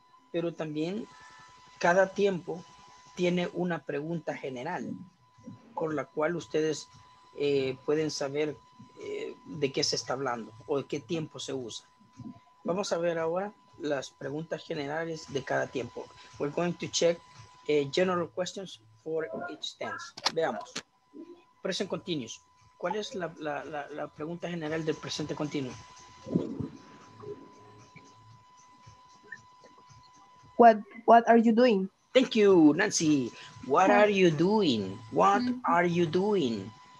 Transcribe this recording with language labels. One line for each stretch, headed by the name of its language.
Spanish: Pero también cada tiempo tiene una pregunta general con la cual ustedes pueden saber de qué se está hablando o de qué tiempo se usa. Vamos a ver ahora. Las preguntas generales de cada tiempo.
English: We're going to check general questions for each tense.
Spanish: Veamos.
English: Present continuous.
Spanish: ¿Cuál es la pregunta general del presente continuo?
English: What are you doing? Thank you, Nancy. What are you doing? What are you doing?